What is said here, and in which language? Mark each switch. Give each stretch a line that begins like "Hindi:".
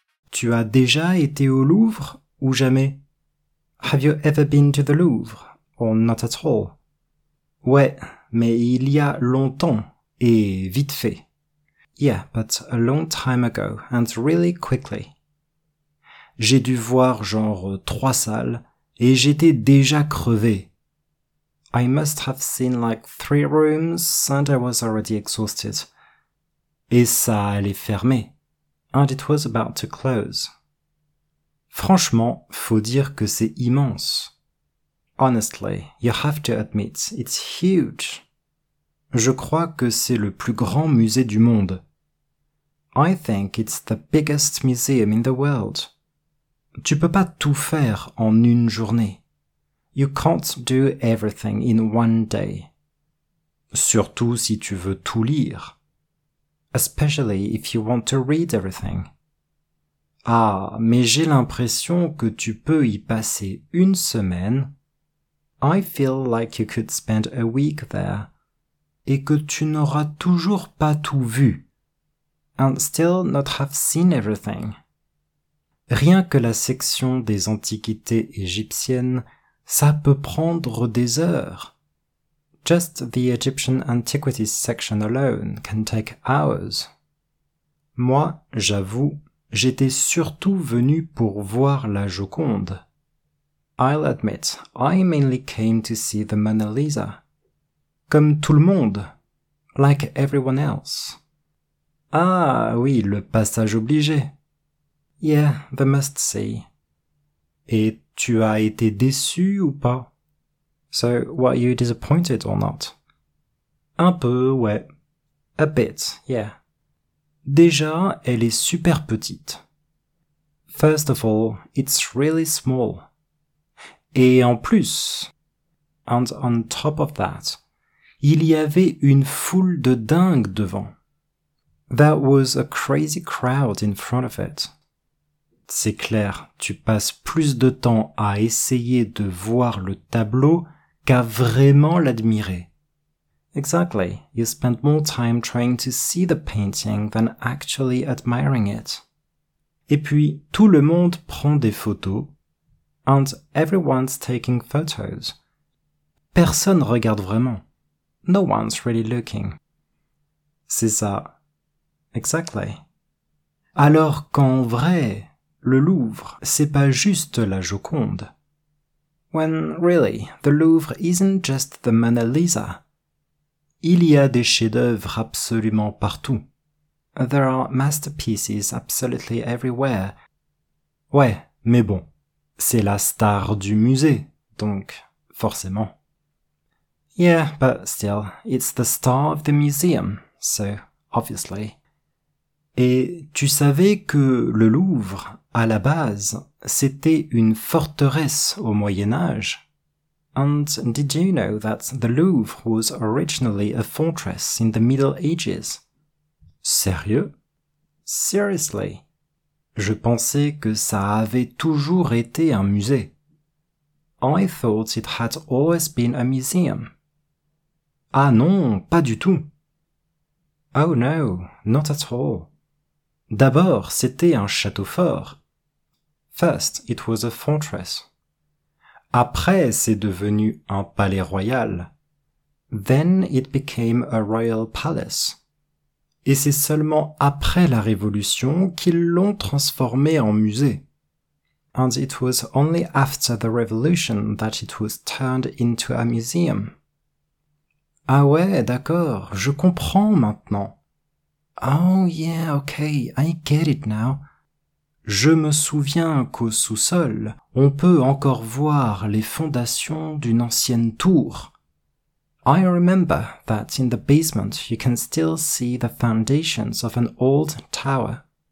French: Tu as déjà été au Louvre ou jamais?
English: Have you ever been to the Louvre? Or not at all?
French: Ouais, mais il y a longtemps et vite fait.
English: Yeah, but a long time ago and really quickly.
French: J'ai dû voir genre 3 salles et j'étais déjà crevé.
English: I must have seen like 3 rooms and I was already exhausted.
French: Et ça allait fermer.
English: And it was about to close.
French: Franchement, faut dire que c'est immense.
English: Honestly, you have to admit, it's huge.
French: Je crois que c'est le plus grand musée du monde.
English: I think it's the biggest museum in the world.
French: Tu peux pas tout faire en une journée.
English: You can't do everything in one day.
French: Surtout si tu veux tout lire.
English: Especially if you want to read everything.
French: Ah, mais j'ai l'impression que tu peux y passer une semaine.
English: I feel like you could spend a week there.
French: Et que tu n'auras toujours pas tout vu.
English: And still not have seen everything.
French: Rien que la section des antiquités égyptiennes, ça peut prendre des heures.
English: Just the Egyptian Antiquities section alone can take hours.
French: Moi, j'avoue, j'étais surtout venu pour voir la Joconde.
English: I'll admit, I mainly came to see the Mona Lisa.
French: Comme tout le monde.
English: Like everyone else.
French: Ah oui, le passage obligé.
English: Yeah, the must see.
French: Et tu as été déçu ou pas?
English: So, were you disappointed or not?
French: Un peu, ouais.
English: A bit, yeah.
French: Déjà, elle est super petite.
English: First of all, it's really small.
French: Et en plus...
English: And on top of that,
French: Il y avait une foule de dingues devant.
English: That was a crazy crowd in front of it.
French: C'est clair, tu passes plus de temps à essayer de voir le tableau qu'à vraiment l'admirer.
English: Exactly, you spend more time trying to see the painting than actually admiring it.
French: Et puis, tout le monde prend des photos.
English: And everyone's taking photos.
French: Personne regarde vraiment.
English: No one's really looking.
French: C'est ça.
English: Exactly.
French: Alors qu'en vrai, le Louvre, c'est pas juste la Joconde.
English: When really, the Louvre isn't just the Mona Lisa.
French: Il y a des chefs-d'œuvre absolument partout.
English: There are masterpieces absolutely everywhere.
French: Ouais, mais bon, c'est la star du musée, donc forcément.
English: Yeah, but still, it's the star of the museum, so obviously.
French: Et tu savais que le Louvre, à la base, c'était une forteresse au Moyen-Âge?
English: And did you know that the Louvre was originally a fortress in the Middle Ages?
French: Sérieux?
English: Seriously?
French: Je pensais que ça avait toujours été un musée.
English: I thought it had always been a museum.
French: Ah non, pas du tout.
English: Oh no, not at all.
French: D'abord, c'était un château fort.
English: First, it was a fortress.
French: Après, c'est devenu un palais royal.
English: Then it became a royal palace.
French: Et c'est seulement après la Révolution qu'ils l'ont transformé en musée.
English: And it was only after the Revolution that it was turned into a museum.
French: Ah ouais, d'accord, je comprends maintenant.
English: Oh yeah, okay, I get it now.
French: Je me souviens qu'au sous-sol, on peut encore voir les fondations d'une ancienne tour.
English: I remember that in the basement you can still see the foundations of an old tower.